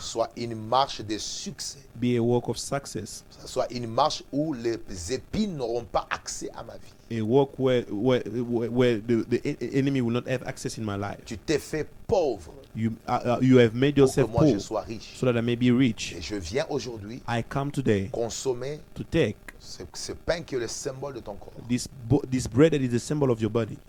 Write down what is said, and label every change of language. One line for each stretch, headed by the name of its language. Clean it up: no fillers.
French: Soit une marche de succès.
English: Be a walk of success.
French: Ça soit une marche où les épines n'auront pas accès à ma vie.
English: A walk where the enemy will not have access in my life.
French: Tu t'es fait pauvre.
English: You have made yourself poor so that I may be rich.
French: Et je viens aujourd'hui.
English: I come today.
French: Consommer.
English: To take.
French: Ce pain qui est le symbole de ton corps.
English: This bread that is the symbol of your body.